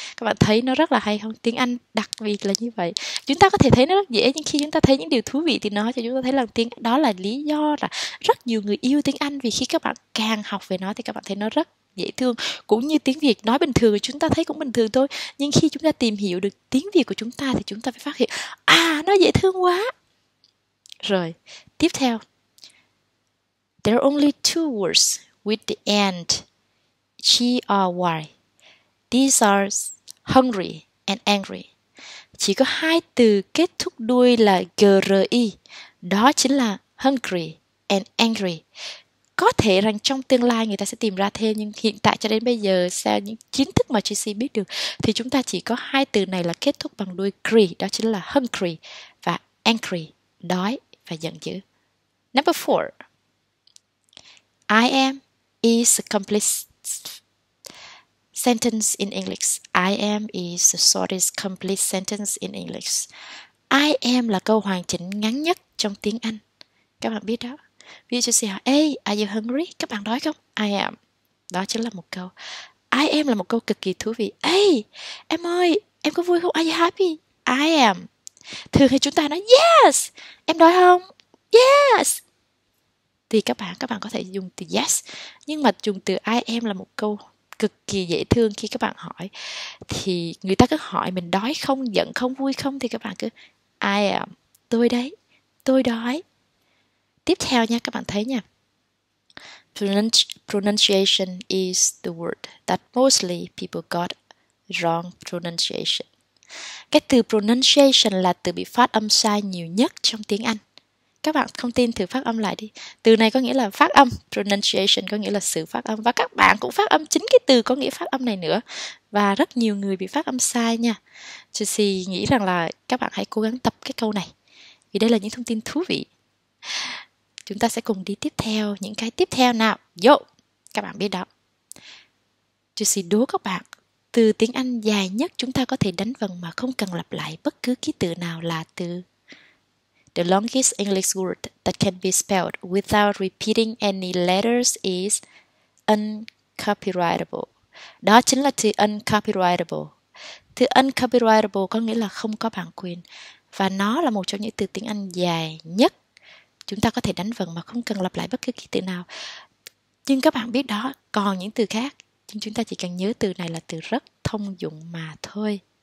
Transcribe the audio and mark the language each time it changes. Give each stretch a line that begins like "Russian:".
Vietnamese: Các bạn thấy nó rất là hay không? Tiếng Anh đặc biệt là như vậy. Chúng ta có thể thấy nó rất dễ, nhưng khi chúng ta thấy những điều thú vị thì nó cho chúng ta thấy là tiếng đó là lý do là rất nhiều người yêu tiếng Anh, vì khi các bạn càng học về nó thì các bạn thấy nó rất dễ thương. Cũng như tiếng Việt nói bình thường chúng ta thấy cũng bình thường thôi, nhưng khi chúng ta tìm hiểu được tiếng Việt của chúng ta thì chúng ta phải phát hiện nó dễ thương quá. Rồi, tiếp theo.
English: There are only two words with the end G-R-Y. These are hungry and angry.
Vietnamese: Chỉ có hai từ kết thúc đuôi là G-R-I. Đó chính là hungry and angry. Có thể rằng trong tương lai người ta sẽ tìm ra thêm, nhưng hiện tại cho đến bây giờ, sau những kiến thức mà Tracy biết được, thì chúng ta chỉ có hai từ này là kết thúc bằng đuôi G-R-I. Đó chính là hungry và angry. Đói và giận dữ.
English: Number 4. I am is a complete Sentence in English. I am is the shortest complete sentence in English.
Vietnamese: I am là câu hoàn chỉnh ngắn nhất trong tiếng Anh. Các bạn biết đó. Ví dụ chị hỏi,
English: hey, are you hungry?
Vietnamese: Các bạn đói không? I am. Đó chính là một câu. I am là một câu cực kỳ thú vị. Hey, em ơi, em có vui không?
English: Are you happy? I am.
Vietnamese: Thường thì chúng ta nói yes, em đói không? Yes. Thì các bạn có thể dùng từ yes, nhưng mà dùng từ I am là một câu cực kỳ dễ thương khi các bạn hỏi. Thì người ta cứ hỏi mình đói không, giận không, vui không, thì các bạn cứ I am, tôi đấy, tôi đói. Tiếp theo nha, các bạn thấy nha.
English: Pronunciation is the word that mostly people got wrong pronunciation.
Vietnamese: Cái từ pronunciation là từ bị phát âm sai nhiều nhất trong tiếng Anh. Các bạn không tin thử phát âm lại đi. Từ này có nghĩa là phát âm, pronunciation có nghĩa là sự phát âm. Và các bạn cũng phát âm chính cái từ có nghĩa phát âm này nữa. Và rất nhiều người bị phát âm sai nha. Chelsea nghĩ rằng là các bạn hãy cố gắng tập cái câu này, vì đây là những thông tin thú vị. Chúng ta sẽ cùng đi tiếp theo, những cái tiếp theo nào. Yo, các bạn biết đó. Chelsea đố các bạn, từ tiếng Anh dài nhất chúng ta có thể đánh vần mà không cần lặp lại bất cứ ký tự nào là từ.
English: The longest English word that can be spelled without repeating any letters is uncopyrightable.
Vietnamese: Đó chính là từ uncopyrightable. Từ uncopyrightable có nghĩa là không có bản quyền. Và nó là một trong những từ tiếng Anh dài nhất. Chúng ta có thể đánh vần mà không cần lặp lại bất cứ ký tự nào. Nhưng các bạn biết đó, còn những từ khác. Nhưng chúng ta chỉ cần nhớ từ này là từ rất thông dụng mà thôi.